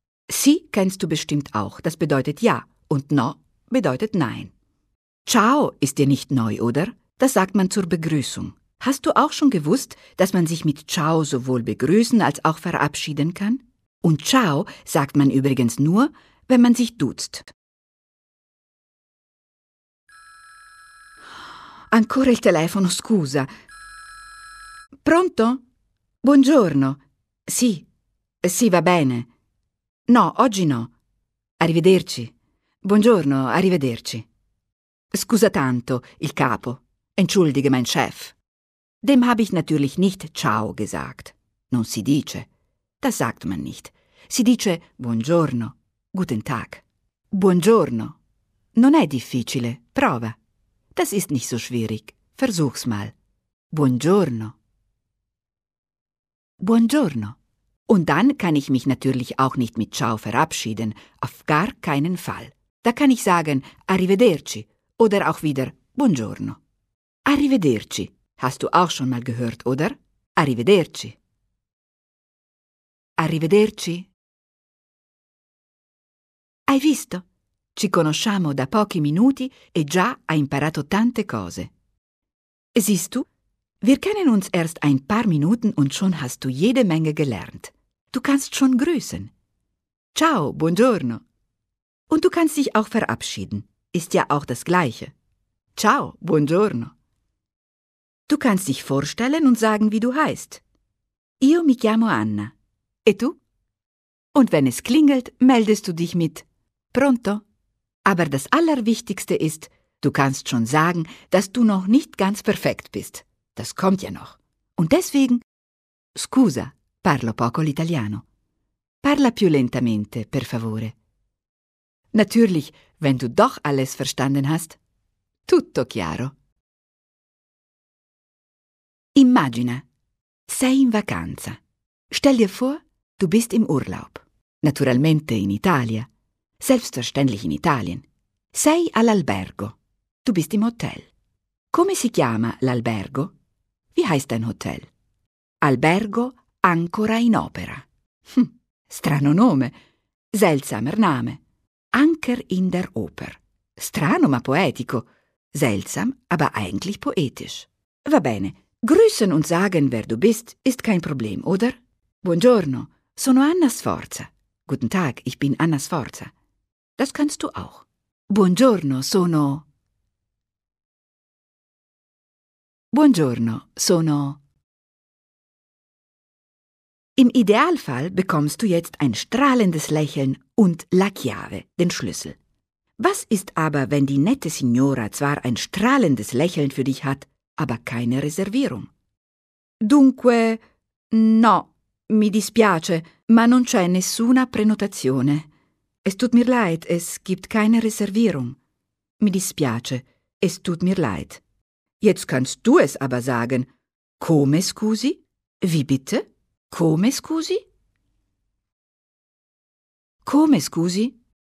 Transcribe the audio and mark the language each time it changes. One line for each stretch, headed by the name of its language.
German: Sì, kennst du bestimmt auch. Das bedeutet ja und no bedeutet nein. Ciao ist dir nicht neu, oder? Das sagt man zur Begrüßung. Hast du auch schon gewusst, dass man sich mit Ciao sowohl begrüßen als auch verabschieden kann? Und Ciao sagt man übrigens nur, wenn man sich duzt.
Italian: Ancora il telefono, scusa. Pronto? Buongiorno. Sì. Sì, va bene. No, oggi no. Arrivederci. Buongiorno, arrivederci. Scusa tanto, il capo.
German: Entschuldige, mein Chef. Dem habe ich natürlich nicht Ciao gesagt.
Italian: Non si dice.
German: Das sagt man nicht.
Italian: Si dice Buongiorno.
German: Guten Tag.
Italian: Buongiorno. Non è difficile. Prova.
German: Das ist nicht so schwierig. Versuch's mal. Buongiorno. Buongiorno. Und dann kann ich mich natürlich auch nicht mit Ciao verabschieden. Auf gar keinen Fall. Da kann ich sagen Arrivederci oder auch wieder Buongiorno. Arrivederci. Hast du auch schon mal gehört, oder?
Italian: Arrivederci. Arrivederci. Hai visto? Ci conosciamo da pochi minuti e già hai imparato tante cose.
German: Siehst du? Wir kennen uns erst ein paar Minuten und schon hast du jede Menge gelernt. Du kannst schon grüßen. Ciao, buongiorno. Und du kannst dich auch verabschieden. Ist ja auch das Gleiche. Ciao, buongiorno. Du kannst dich vorstellen und sagen, wie du heißt.
Italian: Io mi chiamo Anna. E tu?
German: Und wenn es klingelt, meldest du dich mit.
Italian: Pronto?
German: Aber das Allerwichtigste ist, du kannst schon sagen, dass du noch nicht ganz perfekt bist. Das kommt ja noch. Und deswegen...
Italian: Scusa, parlo poco l'italiano. Parla più lentamente, per favore.
German: Natürlich, wenn du doch alles verstanden hast.
Italian: Tutto chiaro. Immagina, sei in vacanza.
German: Stell dir vor, du bist im Urlaub.
Italian: Naturalmente in Italia.
German: Selbstverständlich in Italien.
Italian: Sei all'albergo.
German: Du bist im Hotel.
Italian: Come si chiama l'albergo?
German: Wie heißt dein Hotel?
Italian: Albergo Ancora in Opera. Strano nome.
German: Seltsamer Name. Anker in der Oper.
Italian: Strano ma poetico.
German: Seltsam, aber eigentlich poetisch.
Italian: Va bene.
German: Grüßen und sagen, wer du bist, ist kein Problem, oder?
Italian: Buongiorno, sono Anna Sforza.
German: Guten Tag, ich bin Anna Sforza. Das kannst du auch.
Italian: Buongiorno, sono... Buongiorno, sono...
German: Im Idealfall bekommst du jetzt ein strahlendes Lächeln und
Italian: la chiave,
German: den Schlüssel. Was ist aber, wenn die nette Signora zwar ein strahlendes Lächeln für dich hat, aber keine Reservierung?
Italian: Dunque, no, mi dispiace, ma non c'è nessuna prenotazione.
German: Es tut mir leid, es gibt keine Reservierung.
Italian: Mi dispiace,
German: es tut mir leid. Jetzt kannst du es aber sagen.
Italian: Come scusi?
German: Wie bitte?
Italian: Come scusi? Come scusi?